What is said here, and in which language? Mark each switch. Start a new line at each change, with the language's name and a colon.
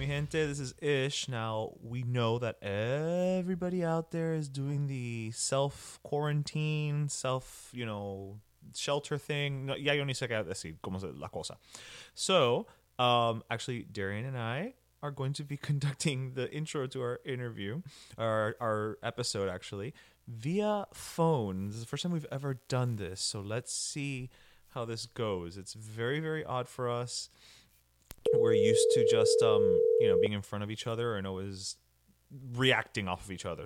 English: This is Ish. Now, we know that everybody out there is doing the self-quarantine, shelter thing.
Spanish: Ya yo ni sé qué decir, cómo es la cosa.
English: So, actually, Darian and I are going to be conducting the intro to our interview, our episode, actually, via phone. This is the first time we've ever done this, so let's see how this goes. It's very, very odd for us. We're used to just, being in front of each other and always reacting off of each other.